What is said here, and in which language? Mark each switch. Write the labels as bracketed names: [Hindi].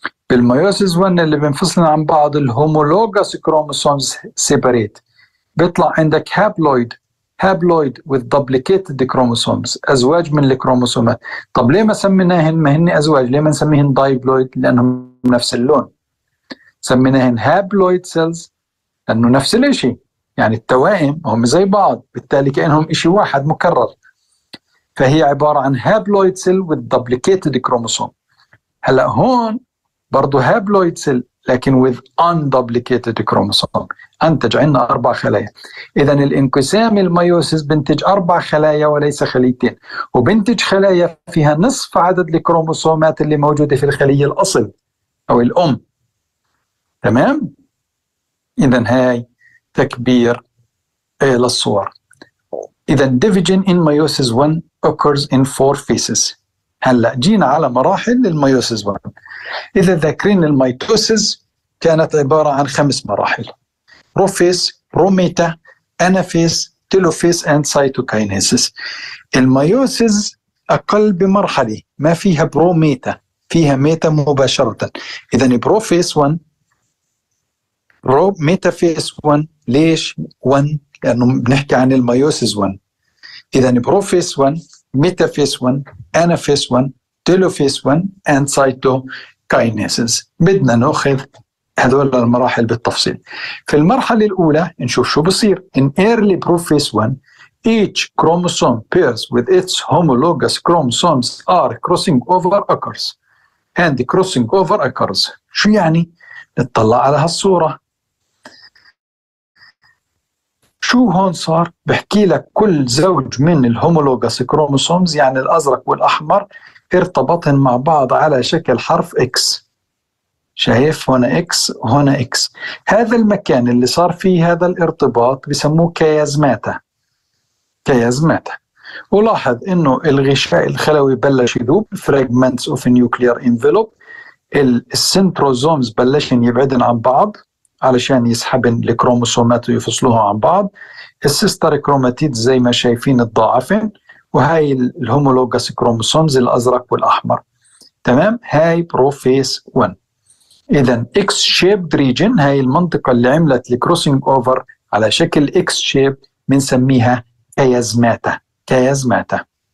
[Arabic] بالميوسيس 1 اللي بينفصلن عن بعض الهومولوجس كروموسومز سيبريت بيطلع عندك هابلويد هابلويد [English] with duplicated chromosomes [Arabic] أزواج من الكروموسومات. طب ليه ما سميناهن ما هن أزواج؟ ليه ما نسميهن diploid؟ لأنهم نفس اللون. سميناهن haploid cells لأنه نفس الإشي، يعني التوائم هم زي بعض، بالتالي كأنهم إشي واحد مكرر. فهي عبارة عن [English] haploid cell with duplicated chromosome. [Arabic] هلأ هون برضو haploid cell لكن [English] with unduplicated chromosome [Arabic] أنتج عندنا أربع خلايا. إذن الإنقسام الميوسيس بنتج أربع خلايا وليس خليتين، وبنتج خلايا فيها نصف عدد الكروموسومات اللي موجودة في الخلية الأصل أو الأم. تمام؟ إذن هاي تكبير للصور. [English] إذن division in meiosis 1 occurs in four phases. [Arabic] هلأ جينا على مراحل الميوسيس 1. إذا ذاكرين الميتوسيس كانت عبارة عن خمس مراحل: بروفيس، بروميتا، أنافيس، تيلوفيس and سايتوكينيسيس. الميوسيس أقل بمرحلة، ما فيها بروميتا، فيها ميتا مباشرة. إذن بروفيس 1 ميتافيس 1. ليش 1؟ لأنه بنحكي عن الميوسيس 1. إذن بروفيس 1 ميتافيس 1 أنافيس 1 تيلوفيس 1 and سايتوكينيسيس. بدنا نأخذ هذول المراحل بالتفصيل. في المرحلة الأولى نشوف شو بصير. [English] In early prophase 1 each chromosome pairs with its homologous chromosomes are crossing over occurs and crossing over occurs. [Arabic] شو يعني؟ نطلع على هالصورة. شو هون صار؟ بحكي لك كل زوج من الهومولوجس كروموسومز يعني الأزرق والأحمر ارتبطن مع بعض على شكل حرف X. شايف هنا X هنا X. هذا المكان اللي صار فيه هذا الارتباط بسموه كيازماتا. كيازماتا. ولاحظ إنه الغشاء الخلوي بلش يذوب. [English] Fragments of nuclear envelope. [Arabic] السنتروزومز بلشن يبعدن عن بعض علشان يسحبن الكروموسومات ويفصلوها عن بعض. السيستر كروماتيد زي ما شايفين الضعفين، وهاي الهومولوجس كروموسومز الأزرق والأحمر. تمام؟ هاي بروفيس 1. إذن X shaped region هاي المنطقة اللي عملت الكروسينج أوفر على شكل X shape بنسميها كيازماتا. كيازماتا.